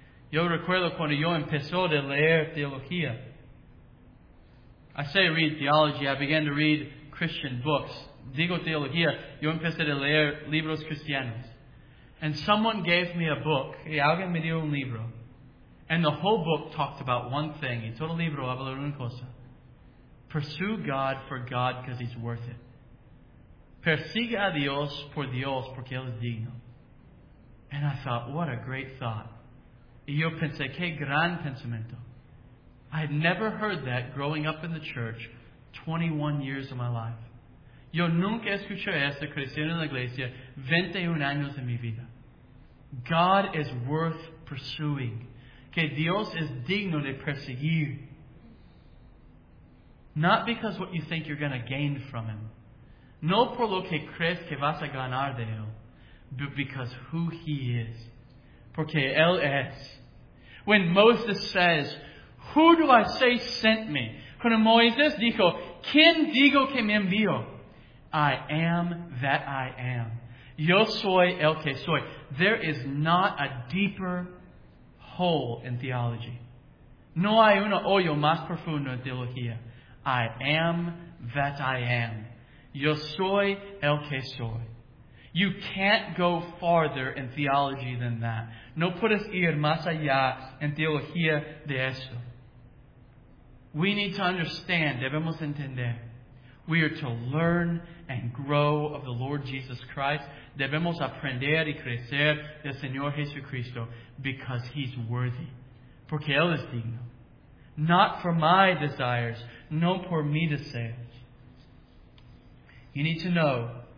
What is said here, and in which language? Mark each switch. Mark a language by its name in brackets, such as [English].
[Spanish] Yo recuerdo cuando yo empezó de leer teología. [English] I say read theology, I began to read Christian books. [Spanish] Digo teología, yo empecé a leer libros cristianos. [English] And someone gave me a book, [Spanish] y alguien me dio un libro. [English] And the whole book talked about one thing. [Spanish] Y todo el libro habló de una cosa. [English] Pursue God for God because He's worth it. [Spanish] Persiga a Dios por Dios porque Él es digno. [English] And I thought, what a great thought. [Spanish] Y yo pensé, qué gran pensamiento. [English] I had never heard that growing up in the church 21 years of my life. [Spanish] Yo nunca escuché esto creciendo en la iglesia 21 años en mi vida. [English] God is worth pursuing. [Spanish] Que Dios es digno de perseguir. [English] Not because what you think you're going to gain from Him. [Spanish] No por lo que crees que vas a ganar de Él. [English] But because who He is. [Spanish] Porque Él es. [English] When Moses says, who do I say sent me? [Spanish] Cuando Moisés dijo, ¿quién digo que me envió? [English] I am that I am. [Spanish] Yo soy el que soy. [English] There is not a deeper hole in theology. [Spanish] No hay un hoyo más profundo en teología. [English] I am that I am. [Spanish] Yo soy el que soy. [English] You can't go farther in theology than that. [Spanish] No puedes ir más allá en teología de eso. [English] We need to understand. [Spanish] Debemos entender. [English] We are to learn and grow of the Lord Jesus Christ. [Spanish] Debemos aprender y crecer del Señor Jesucristo [English] because He's worthy. [Spanish] Porque Él es digno. [English] Not for my desires, [Spanish] no por mis deseos. [English] You need to know